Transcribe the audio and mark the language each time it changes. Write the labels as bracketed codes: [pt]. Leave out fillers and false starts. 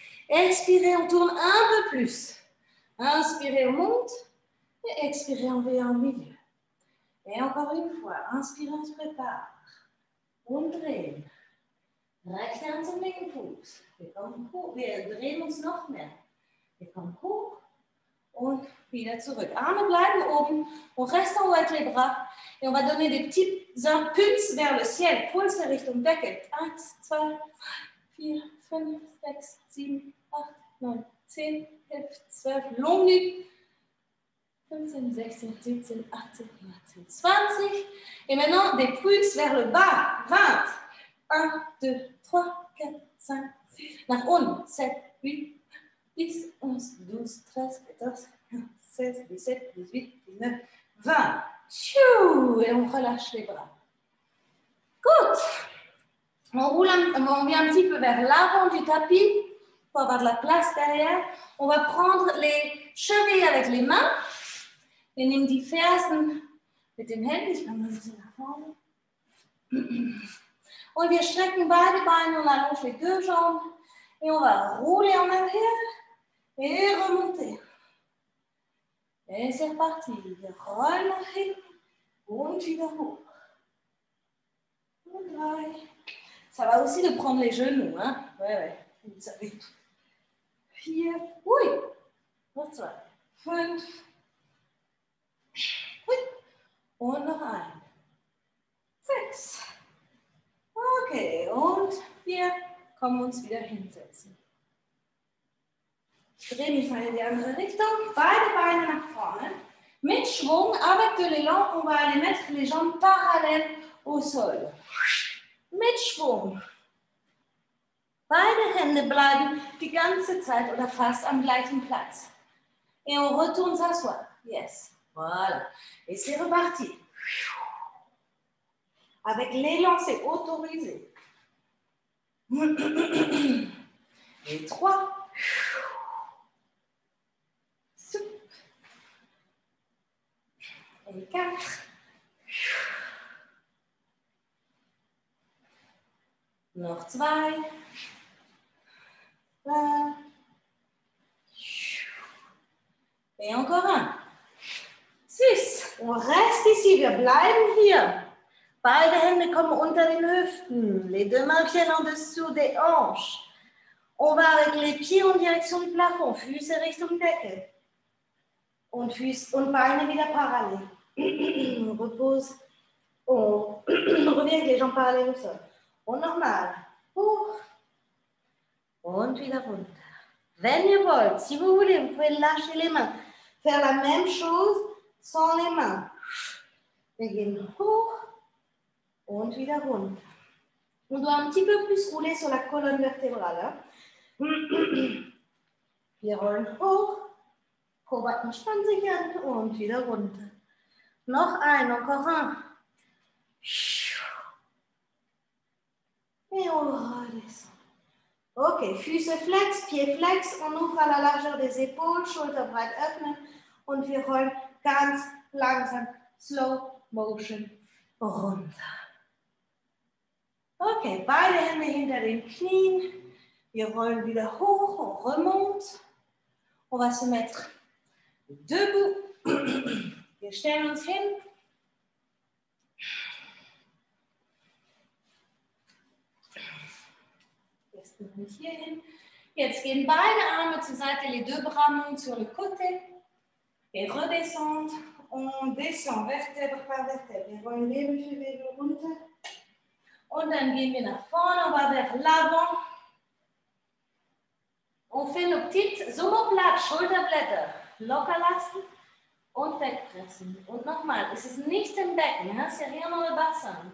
[fr] Expirez, on tourne un peu plus. Inspirez, on monte. Et expirez, on vient au milieu. Et encore une fois, inspirez, on se prépare. [de] Und drehen. Rechte Hand zum linken Fuß. Wir kommen hoch. Wir drehen uns noch mehr. Wir kommen hoch und wieder zurück. Arme bleiben oben. Und [fr] restons ouvert les bras. Et on va donner des petits impulses vers le ciel. [de] Pulse Richtung Decke. 1, 2, 4, 5, 6, 7, 8, 9, 10, 11, 12. Long nu. 15, 16, 17, 18, 19, 20. [fr] Et maintenant, des pulses vers le bas. [de] 20. 1, 2, 3, 4, 5, 6. Nach unten. 7, 8, 10, 11, 12, 13, 14, 15, 16, 17, 18, 19, 20. Tchou! [fr] Et on relâche les bras. [en] Good. [fr] On vient un petit peu vers l'avant du tapis pour avoir de la place derrière. On va prendre les chevilles avec les mains. [de] Wir nehmen die Fersen mit dem Händen, ich komme ein bisschen nach vorne. Und wir strecken beide Beine und [fr] allonge les deux jambes. Et on va rouler en arrière et remonter. Et c'est parti. [de] Relâchez und wieder hoch. Und drei. [fr] Ça va aussi de prendre les genoux, hein? Ouais, ouais. Vous savez tout. Vier. Oui. [de] Und zwei. [fr] Fünf. [de] Und noch ein. Sechs. Okay, und wir kommen uns wieder hinsetzen. Ich drehe mich mal in die andere Richtung. Beide Beine nach vorne. Mit Schwung, [fr] avec de l'élan, on va aller mettre les jambes parallèles au sol. [de] Mit Schwung. Beide Hände bleiben die ganze Zeit oder fast am gleichen Platz. [fr] Et on retourne s'asseoir. Yes. Voilà. Et c'est reparti. Avec l'élan, c'est autorisé. Et trois. Et quatre. [de] Noch zwei. [fr] Et encore un. Six. On reste ici, [de] wir bleiben hier. Beide Hände kommen unter den Hüften. [fr] Les deux mains viennent en dessous des hanches. On va avec les pieds en direction du plafond, [de] Füße Richtung Decke. Und Füße und Beine wieder parallel. [fr] On repose. On revient avec les jambes parallèles au sol. Au normal. [de] Und wieder runter. Wenn ihr wollt, [fr] si vous voulez, vous pouvez lâcher les mains. Faire la même chose sans les mains. [de] Wir gehen hoch und wieder runter. [fr] On doit un petit peu plus rouler sur la colonne vertébrale. [de] Wir rollen hoch. Kobat entspannt sich an und wieder runter. Noch ein, [fr] encore un. Et on redescend. [de] Ok, Füße flex, [fr] pied flex. On ouvre à la largeur des épaules, [de] Schulter breit öffnen. Und wir rollen ganz langsam, [en] slow motion, [de] runter. Ok, beide Hände hinter den Knien. Wir rollen wieder hoch, [fr] on remonte. On va se mettre debout. [de] Wir stellen uns hin. Hierhin. Jetzt gehen beide Arme zur Seite, [fr] les deux bras montent sur le côté. Et redescend. On descend, vertèbre par vertèbre. [de] Wir wollen neben für neben runter. Und dann gehen wir nach vorne, [fr] on va vers l'avant. On fait nos petites [de] Sommerplatte, Schulterblätter. Locker lassen und wegpressen. Und nochmal, es ist nicht im Becken, [fr] c'est rien dans le bassin.